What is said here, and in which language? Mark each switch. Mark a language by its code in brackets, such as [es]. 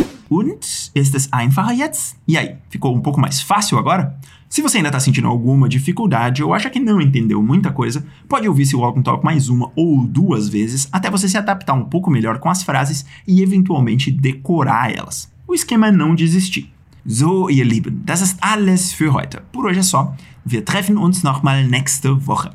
[de] Und, ist es einfacher jetzt? [pt] E aí, ficou um pouco mais fácil agora? Se você ainda está sentindo alguma dificuldade ou acha que não entendeu muita coisa, pode ouvir esse Walk and Talk mais uma ou duas vezes até você se adaptar um pouco melhor com as frases e eventualmente decorar elas. O esquema é não desistir. [de] So, ihr Lieben, das ist alles für heute. [pt] Por hoje é só. [de] Wir treffen uns nochmal nächste Woche.